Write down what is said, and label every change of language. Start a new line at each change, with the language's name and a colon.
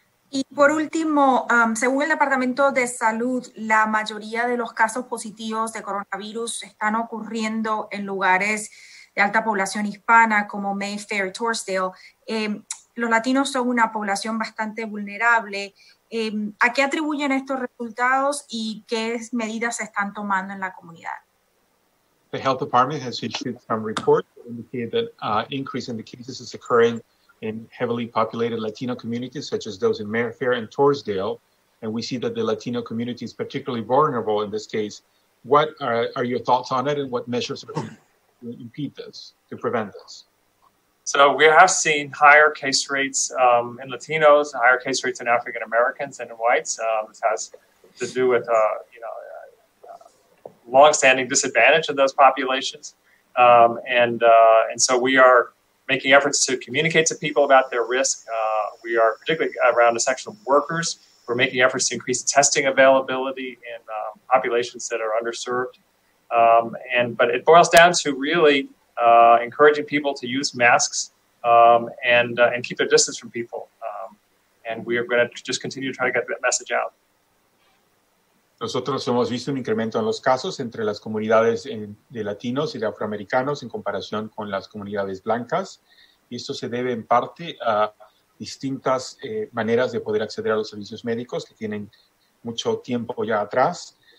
Spanish: Y por último, según el Departamento de Salud, la mayoría de los casos positivos de coronavirus están ocurriendo en lugares de alta población hispana como Mayfair, Torsdale. Los latinos son una población bastante vulnerable. ¿A qué atribuyen estos resultados y qué medidas se están tomando en la comunidad?
English: The Health Department has issued some reports indicating that an increase in the cases is occurring in heavily populated Latino communities, such as those in Mayfair and Torsdale, and we see that the Latino community is particularly vulnerable in this case. What are your thoughts on it, and what measures are to impede this, to prevent this? So we have seen higher case rates in Latinos, higher case rates in African Americans and in whites. This has to do with longstanding disadvantage of those populations, and so we are making efforts to communicate to people about their risk. We are particularly around essential workers. We're making efforts to increase testing availability in populations that are underserved. But it boils down to really encouraging people to use masks and keep their distance from people. And we are going to just continue to try to get that message out.
Spanish: Nosotros hemos visto un incremento en los casos entre las comunidades de latinos y de afroamericanos en comparación con las comunidades blancas. Y esto se debe en parte a distintas maneras de poder acceder a los servicios médicos que tienen mucho tiempo ya atrás.